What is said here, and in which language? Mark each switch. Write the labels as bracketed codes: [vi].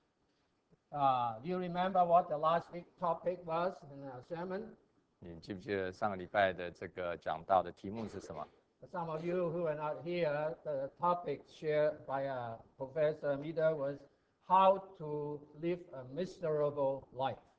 [en] Do you remember what the last week topic was in our sermon? [zh] 你记不记得上个礼拜的这个讲到的题目是什么？ [en] Some of you who are not here, the topic shared by Professor Meader was how to live a miserable life.